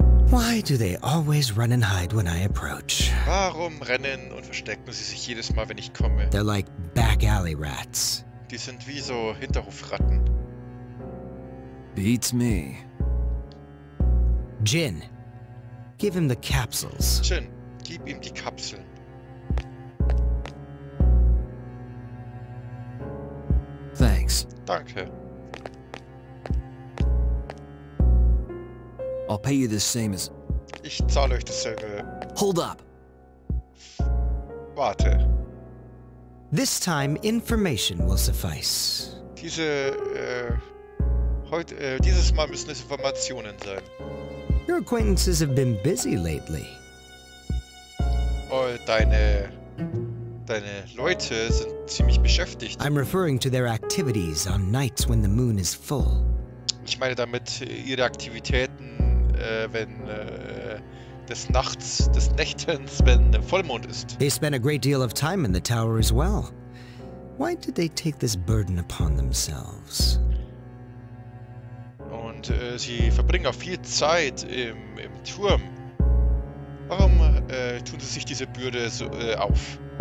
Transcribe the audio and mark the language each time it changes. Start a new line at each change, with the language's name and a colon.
English: Why do they always run and hide when I approach?
German: Warum rennen und verstecken sie sich jedes Mal, wenn ich komme?
English: They're like back alley rats.
German: Die sind wie so Hinterhofratten.
English: Beats me. Jin, give him the capsules.
German: Jin, gib ihm die Kapseln.
English: Thanks.
German: Danke.
English: I'll pay you the same as...
German: Ich zahle euch dasselbe.
English: Hold up.
German: Warte.
English: This time information will suffice.
German: Dieses Mal müssen es Informationen sein.
English: Your acquaintances have been busy lately.
German: Oh, deine Leute sind ziemlich beschäftigt.
English: I'm referring to their activities on nights when the moon is full.
German: Ich meine damit ihre Aktivitäten, wenn des Nächtens, wenn Vollmond ist.
English: They spent a great deal of time in the tower as well. Why did they take this burden upon themselves?
German: Und sie verbringen auch viel Zeit im Turm. Warum tun sie sich diese Bürde so auf?